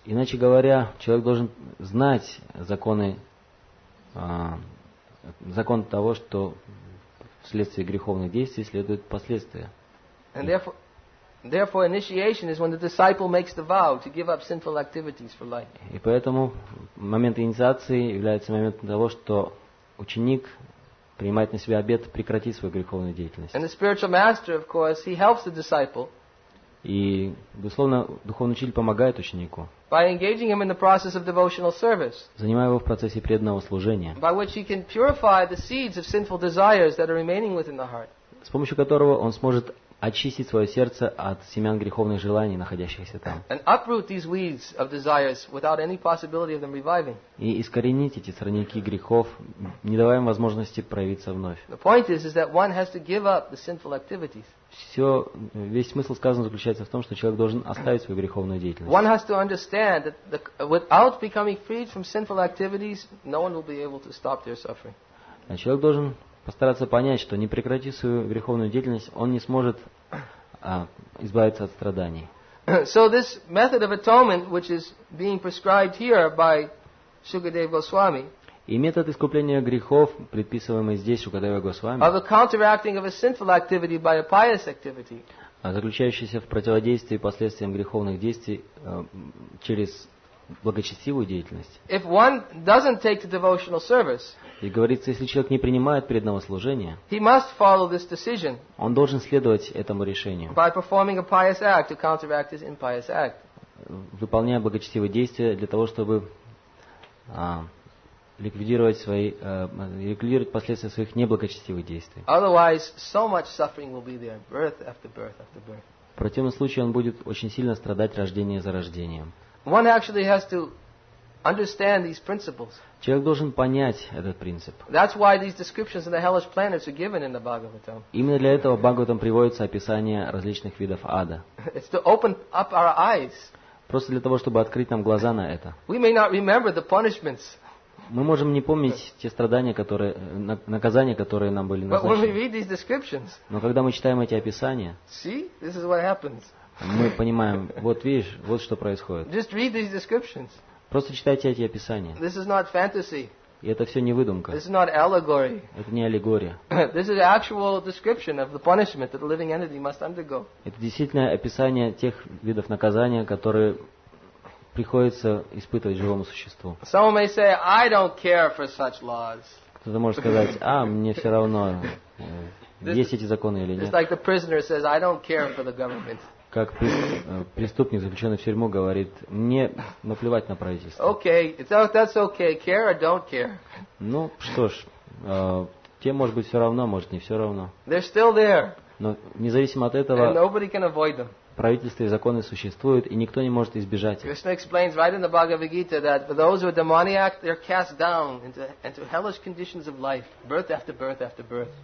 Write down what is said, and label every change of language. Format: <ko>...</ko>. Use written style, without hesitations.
<ru>Иначе говоря, человек должен знать законы, закон того, что вследствие греховных действий следуют последствия.</ru> <en>And therefore initiation is when the disciple makes the vow to give up sinful activities for life.</en> <ru>И поэтому момент инициации является моментом того, что ученик принимает на себя обет прекратить свою греховную деятельность.</ru> <en>And the spiritual master, of course, he helps the disciple.</en> <ru>И, безусловно, духовный учитель помогает ученику.</ru> <en>By engaging him in the process of devotional service.</en> <ru>Занимая его в процессе преданного служения.</ru> <en>By which he can purify the seeds of sinful desires that are remaining within the heart.</en> <ru>С помощью которого он сможет очистить свое сердце от семян греховных желаний, находящихся там.</ru> <en>And uproot these weeds of desires without any possibility of them reviving.</en> <ru>И искоренить эти сорняки грехов, не давая им возможности проявиться вновь.</ru> <en>The point is that one has to give up the sinful activities.</en> <ru>Все, весь смысл сказанного заключается в том, что человек должен оставить свою греховную деятельность.</ru> <en>One has to understand that without becoming freed from sinful activities, no one will be able to stop their suffering.</en> <ru>А человек должен постараться понять, что не прекратив свою греховную деятельность, он не сможет избавиться от страданий.</ru> <en>So this method of atonement, which is being prescribed here by Shukadeva Goswami,</en> <ru>и метод искупления грехов, предписываемый здесь Шукадева Госвами,</ru> <en>of a counteracting of a sinful activity by a pious activity,</en> <ru>заключающийся в противодействии последствиям греховных действий через благочестивую деятельность.</ru> <en>If one doesn't take the devotional service,</en> <ru>и говорится, если человек не принимает преданного служения,</ru> <en>he must follow this decision,</en> <ru>он должен следовать этому решению,</ru> <en>by performing a pious act to counteract his impious act,</en> <ru>выполняя благочестивые действия для того, чтобы ликвидировать свои, ликвидировать последствия своих неблагочестивых действий.</ru> <en>Otherwise, so much suffering will be there, birth after birth after birth.</en> <ru>В противном случае он будет очень сильно страдать рождение за рождением.</ru> <en>One actually has to understand these principles.</en> <ru>Человек должен понять этот принцип.</ru> <en>That's why these descriptions of the hellish planets are given in the Bhagavatam.</en> <ru>Именно для этого в Бхагаватам приводится описание различных видов ада.</ru> <en>It's to open up our eyes.</en> <ru>Просто для того, чтобы открыть нам глаза на это.</ru> <en>We may not remember the punishments.</en> <ru>Мы можем не помнить те страдания, которые, наказания, которые нам были назначены.</ru> <en>But when we read these descriptions,</en> <ru>но когда мы читаем эти описания,</ru> <en>see, this is what happens.</en> <ru>Мы понимаем, вот видишь, вот что происходит.</ru> <en>Just read these descriptions.</en> <ru>Просто читайте эти описания.</ru> <en>This is not fantasy.</en> <ru>И это все не выдумка.</ru> <en>This is not allegory.</en> <ru>Это не аллегория.</ru> <en>This is actual description of the punishment that a living entity must undergo.</en> <ru>Это действительно описание тех видов наказания, которые приходится испытывать живому существу.</ru> <en>Some may say, I don't care for such laws.</en> <ru>Кто-то может сказать, а мне все равно, есть эти законы или нет.</ru> <en>It's like the prisoner says, I don't care for the government.</en> <ru>Как преступник, заключенный в тюрьму, говорит, мне наплевать на правительство.</ru> <en>Okay, that's okay. Care or don't care.</en> <ru>Ну что ж, тем может быть все равно, может не все равно.</ru> <en>They're still there.</en> <ru>Но независимо от этого.</ru> <en>And nobody can avoid them.</en> <ru>Правительства и законы существуют, и никто не может избежать их.</ru> <en>Krishna explains right in the Bhagavad Gita that for those who are demoniac, they're cast down into hellish conditions of life, birth after birth after birth.</en>